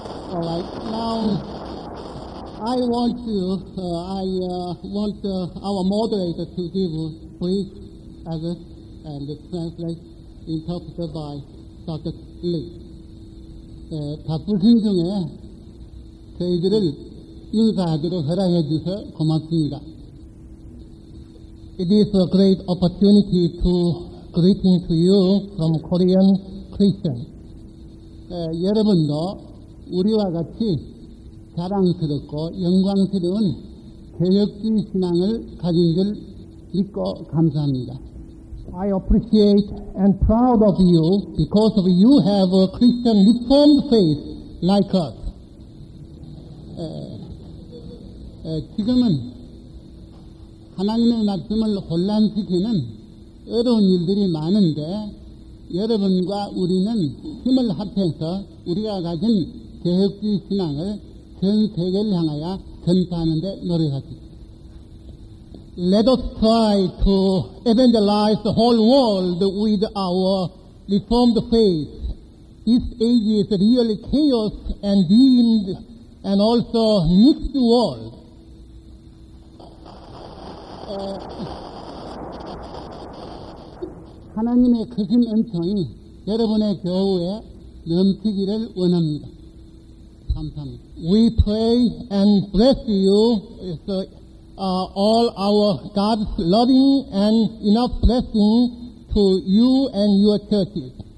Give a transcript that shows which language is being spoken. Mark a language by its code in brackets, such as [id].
[en] All right, now I want our moderator to give a brief address and translate, interpreted by Dr. Lee. [ko] 바쁠 팀 중에 저희들을 인사하도록 허락해 주셔 고맙습니다. [en] It is a great opportunity to greeting to you from Korean Christians. [ko] 여러분도 우리와 같이 자랑스럽고 영광스러운 개혁주의 신앙을 가진 줄 믿고 감사합니다. [en] I appreciate and proud of you because of you have a Christian reformed faith like us. [ko] 지금은 하나님의 말씀을 혼란시키는 어려운 일들이 많은데 여러분과 우리는 힘을 합해서 우리가 가진 개혁주의 신앙을 전 세계를 향하여 전파하는 데 노력합시다. [en] Let us try to evangelize the whole world with our reformed faith. This age is really chaos and deemed and also mixed world. [ko] 하나님의 크신 은총이 여러분의 교회에 넘치기를 원합니다. 감사합니다. [en] We pray and bless you with all our God's loving and enough blessing to you and your churches.